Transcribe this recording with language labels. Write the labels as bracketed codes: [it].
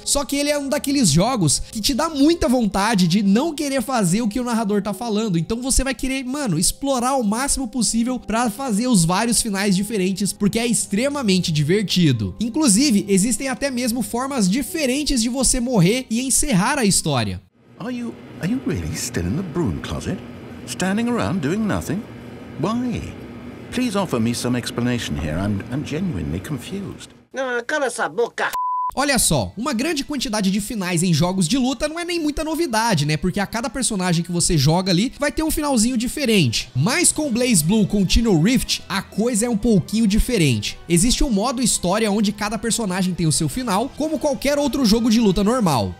[pt] Só que ele é um daqueles jogos que te dá muita vontade de não querer fazer o que o narrador tá falando, então você vai querer, mano, explorar o máximo possível para fazer os vários finais diferentes, porque é extremamente divertido. Inclusive, existem até mesmo formas diferentes de você morrer e encerrar a história. [en] Are you really still in the broom closet? Standing around doing nothing? Why? Please offer me some explanation here. I'm genuinely confused. [pt] Não, cala essa boca. Olha só, uma grande quantidade de finais em jogos de luta não é nem muita novidade, né? Porque a cada personagem que você joga ali vai ter um finalzinho diferente. Mas com BlazBlue Continual Rift, a coisa é um pouquinho diferente. Existe um modo história onde cada personagem tem o seu final, como qualquer outro jogo de luta normal.